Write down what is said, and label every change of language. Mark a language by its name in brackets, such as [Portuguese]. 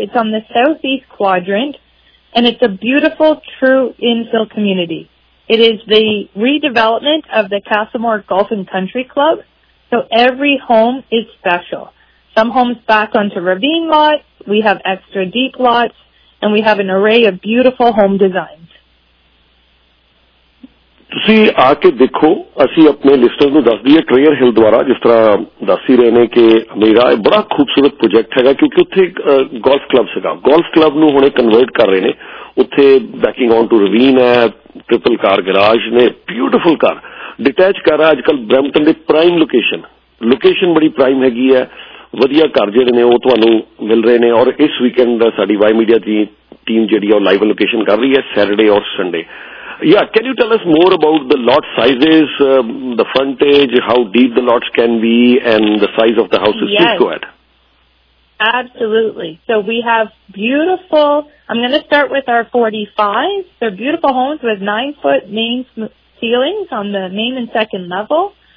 [English] It's on the southeast quadrant, and it's a beautiful, true infill community. It is the redevelopment of the Castlemore Golf and Country Club. So every home is special. Some homes back onto ravine lots, we have extra deep lots, and we have an array of beautiful home designs. [Punjabi] ਤੁਸੀਂ ਆ ਕੇ ਦੇਖੋ, ਅਸੀਂ ਆਪਣੇ Lister ਨੂੰ ਦੱਸਦੀ ਹੈ ਟ੍ਰੇਅਰ ਹਿੱਲ ਦੁਆਰਾ, ਜਿਸ ਤਰ੍ਹਾਂ ਦੱਸ ਹੀ ਰਹੇ ਨੇ ਕਿ ਮੇਰਾ ਇਹ ਬੜਾ ਖੂਬਸੂਰਤ ਪ੍ਰੋਜੈਕਟ ਹੈਗਾ, ਕਿਉਂਕਿ ਉੱਥੇ ਗੋਲਫ ਕਲੱਬ ਸੀਗਾ, ਗੋਲਫ ਕਲੱਬ ਨੂੰ ਹੁਣੇ ਕਨਵਰਟ ਕਰ ਰਹੇ ਨੇ, ਉੱਥੇ [English] backing on to ravine [Punjabi] ਹੈ, [English] triple car garage [Punjabi] ਨੇ, [English] beautiful car detach [Punjabi] ਕਰ ਰਿਹਾ, ਅੱਜ ਕੱਲ੍ਹ ਬ੍ਰੈਂਪਟਨ ਦੇ [English] prime location, [Punjabi] ਲੋਕੇਸ਼ਨ ਬੜੀ ਪ੍ਰਾਈਮ ਹੈਗੀ ਹੈ, ਵਧੀਆ ਘਰ ਜਿਹੜੇ ਨੇ ਉਹ ਤੁਹਾਨੂੰ ਮਿਲ ਰਹੇ ਨੇ, ਔਰ ਇਸ ਵੀਕਐਂਡ ਸਾਡੀ ਵਾਈ ਮੀਡੀਆ ਦੀ ਟੀਮ ਜਿਹੜੀ ਹੈ ਉਹ [English] live location [Punjabi] ਕਰ ਰਹੀ ਹੈ [English] Saturday ਔਰ Sunday. Yeah, can you tell us more about the lot sizes, the frontage, how deep the lots can be, and the size of the houses? Yes. Please go ahead. Absolutely. So we have beautiful, I'm going to start with our 45. They're beautiful homes with 9-foot main ceilings on the main and second level.